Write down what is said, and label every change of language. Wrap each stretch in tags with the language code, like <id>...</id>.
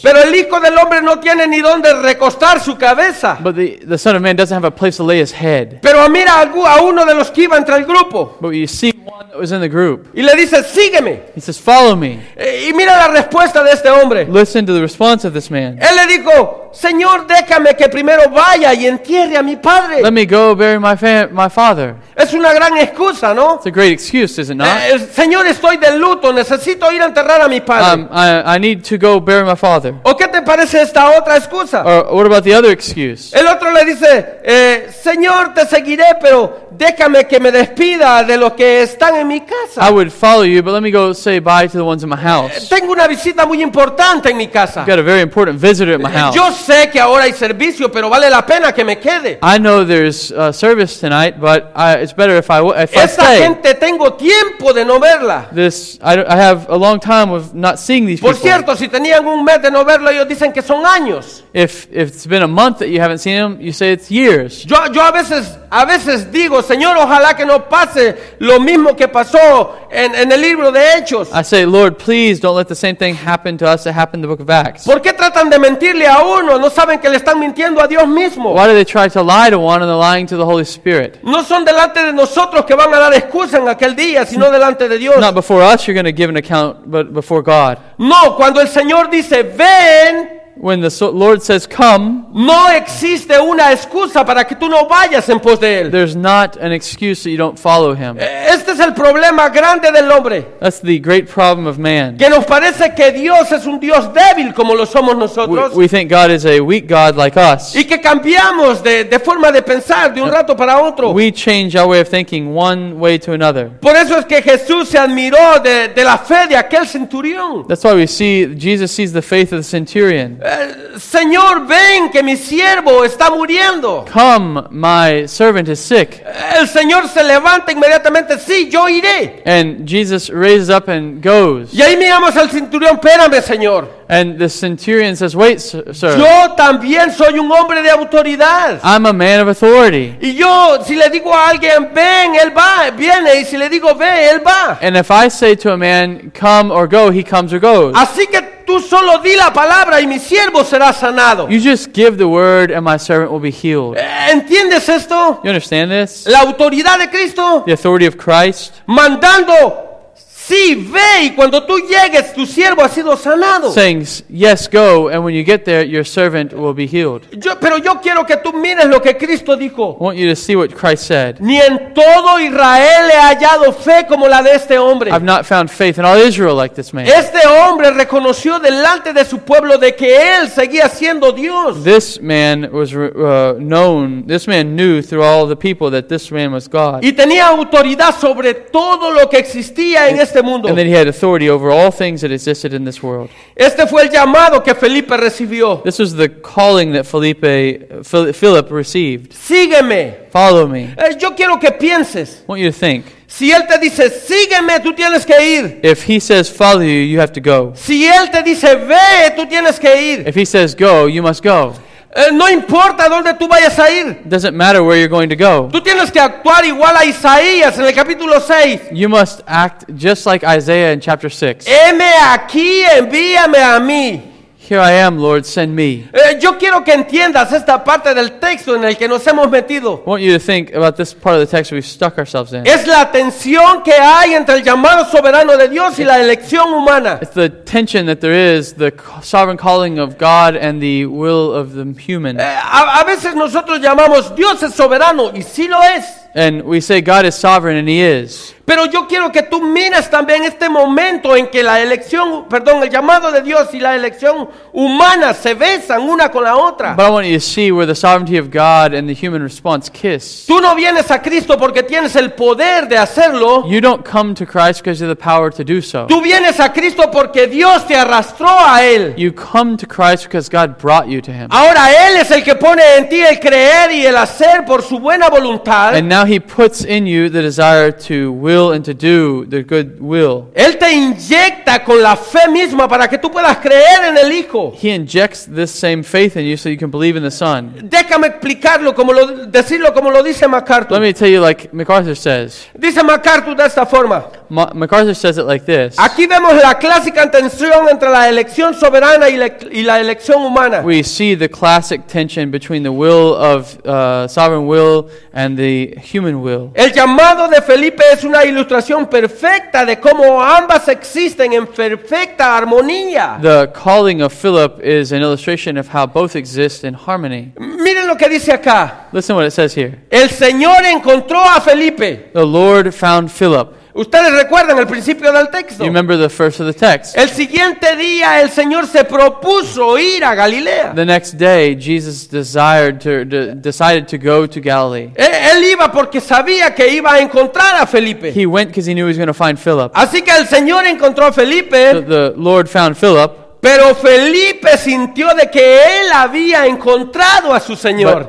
<es>Pero el hijo del hombre no tiene ni donde recostar su cabeza.</es> <en>But the son of man doesn't have a place to lay his head.</en> <es>Pero mira a uno de los que iba entre el grupo.</es> <en>But you see one that was in the group.</en> <es>Y le dice, sígueme.</es> <en>He says, follow me.</en> <es>Y mira la respuesta de este hombre.</es> <en>Listen to the response of this man.</en> <es>Él le dijo, Señor, déjame que primero vaya y entierre a mi padre.</es> <en>Let me go bury my father.</en> <es>Es una gran excusa, ¿no?</es> <en>It's a great excuse, is it not?</en> <es>Señor, estoy de luto, necesito ir a enterrar a mi padre.</es> <en>I need to go bury my father.</en> <es>¿O qué te parece esta otra excusa?</es> <en>Or what about the other excuse?</en> <es>El otro le dice, Señor, te seguiré, pero déjame que me despida de los que están en mi casa.</es> <en>I would follow you, but let me go say bye to the ones in my house.</en> <es>Tengo una visita muy importante en mi casa.</es> <en>I've got a very important visitor at my house.</en> <es>Yo sé que ahora hay servicio, pero vale la pena que me quede.</es> <en>I know there's service tonight, but it's better if</en> <es>Esta</es> <en>I stay.</en> <es>Esta gente tengo tiempo de no verla.</es> <en>I have a long time of not seeing these</en> <es>Por</es> <en>people.</en> <es>Por cierto, si tenían un mes de no verlo, ellos dicen que son años.</es> <en>If it's been a month that you haven't seen them, you say it's years.</en> <es>Yo a veces digo, Señor, ojalá que no pase lo mismo que pasó en el libro de Hechos.</es> <en>I say, Lord, please don't let the same thing happen to us that happened in the book of Acts.</en> <es>¿Por qué tratan de mentirle a uno? No saben que le están mintiendo a Dios mismo.</es> <en>Why do they try to lie to one and they're lying to the Holy Spirit?</en> <es>No son delante de nosotros que van a dar excusa en aquel día, sino delante de Dios.</es> <en>Not before us you're going to give an account, but before God.</en> <es>No, cuando el Señor dice, ven.</es> <en>When the Lord says, come,</en> <es>no existe una excusa para que tú no vayas en pos de él.</es> <en>There's not an excuse that you don't follow him.</en> <es>Este es el problema grande del hombre.</es> <en>That's the great problem of man.</en> <es>Que nos parece que Dios es un Dios débil como lo somos nosotros.</es> <en>We think God is a weak God like us.</en> <es>Y que cambiamos de forma de pensar de un rato para otro.</es> <en>We change our way of thinking one way to another.</en> <es>Por eso es que Jesús se admiró de la fe de aquel centurión.</es> <en>That's why we see, Jesus sees the faith of the centurion.</en> <es>Señor, ven que mi siervo está muriendo.</es> <en>Come, my servant is sick.</en> <es>El Señor se levanta inmediatamente. Sí, yo iré.</es> <en>And Jesus raises up and goes.</en> <es>Y ahí miramos al centurión. Espérame, Señor.</es> <en>And the centurion says, wait, sir.</en> <es>Yo también soy un hombre de autoridad.</es> <en>I'm a man of authority.</en> <es>Y yo, si le digo a alguien, ven, él va, viene. Y si le digo, ve, él va.</es> <en>And if I say to a man, come or go, he comes or goes.</en> <es>Así que tú solo di la palabra y mi siervo será sanado.</es> <en>You just give the word and my servant will be healed.</en> <es>¿Entiendes esto?</es> <en>You understand this?</en> <es>La autoridad de Cristo.</es> <en>The authority of Christ.</en> <es>Mandando, sí, ve, y cuando tú llegues, tu siervo ha sido sanado.</es> <en>Saying, yes, go, and when you get there, your servant will be healed.</en> <es>Pero yo quiero que tú mires lo que Cristo dijo.</es> <en>I want you to see what Christ said.</en> <es>Ni en todo Israel he hallado fe como la de este hombre.</es> <en>I've not found faith in all Israel like this man.</en> <es>Este hombre reconoció delante de su pueblo de que él seguía siendo Dios.</es> <en>This man was known, this man knew through all the people that this man was God.</en> <es>Y tenía autoridad sobre todo lo que existía en este.</es> <en>And then he had authority over all things that existed in this world.</en> <es>Este fue el llamado que Felipe recibió.</es> <en>This was the calling that Philip received.</en> <es>Sígueme.</es> <en>Follow me.</en> <es>Yo quiero que pienses.</es> <en>I want you to think.</en> <es>Si él te dice, sígueme, tú tienes que ir.</es> <en>If he says, follow you, you have to go.</en> <es>Si él te dice, ve, tú tienes que ir.</es> <en>If he says, go, you must go.</en> <es>No importa dónde tú vayas a ir.</es> <en>Doesn't matter where you're going to go.</en> <es>Tú tienes que actuar igual a Isaías en el capítulo 6.</es> <en>You must act just like Isaiah in chapter 6.</en> <es>Heme aquí, envíame a mí.</es> <en>Here I am, Lord, send me.</en> <es>Yo quiero que entiendas esta parte del texto en el que nos hemos metido.</es> <en>I want you to think about this part of the text we've stuck ourselves in.</en> <es>Es la tensión que hay entre el llamado soberano de Dios y la elección humana.</es> <en>It's the tension that there is, the sovereign calling of God and the will of the human.</en> <es>A veces nosotros llamamos Dios es soberano y sí lo es.</es> <en>And we say God is sovereign and he is.</en> <es>Pero yo quiero que tú mires también este momento en que la elección, perdón, el llamado de Dios y la elección humana se besan una con la otra.</es> <en>But I want you to see where the sovereignty of God and the human response kiss.</en> <es>Tú no vienes a Cristo porque tienes el poder de hacerlo.</es> <en>You don't come to Christ because you have the power to do so.</en> <es>Tú vienes a Cristo porque Dios te arrastró a él.</es> <en>You come to Christ because God brought you to him.</en> <es>Ahora él es el que pone en ti el creer y el hacer por su buena voluntad.</es> <en>And now he puts in you the desire to will and to do the good will.</en> <es>Él te inyecta con la fe misma para que tú puedas creer en el Hijo.</es> <en>He injects this same faith in you so you can believe in the Son.</en> <es>Déjame explicarlo como lo decirlo como lo dice MacArthur.</es> <en>Let me tell you like MacArthur says.</en> <es>Dice MacArthur de esta forma.</es> <en>MacArthur says it like this.</en> <es>Aquí vemos la clásica tensión entre la elección soberana y la elección humana.</es> <en>We see the classic tension between the will of sovereign will and the human will.</en> <es>El llamado de Felipe es una ilustración perfecta de cómo ambas existen en perfecta armonía.</es> <en>The calling of Philip is an illustration of how both exist in harmony.</en> <es>Miren lo que dice acá.</es> <en>Listen what it says here.</en> <es>El Señor encontró a Felipe.</es> <en>The Lord found Philip.</en> <es>¿Ustedes recuerdan el principio del texto?</es> <en>You remember the first of the text.</en> <es>El siguiente día el Señor se propuso ir a Galilea.</es> <en>The next day Jesus decided to go to Galilee.</en> <es>Él iba porque sabía que iba a encontrar a Felipe.</es> <en>He went because he knew he was going to find Philip.</en> <es>Así que el Señor encontró a Felipe.</es> <en>The Lord found Philip.</en> <es>Pero Felipe sintió de que él había encontrado a su Señor.</es>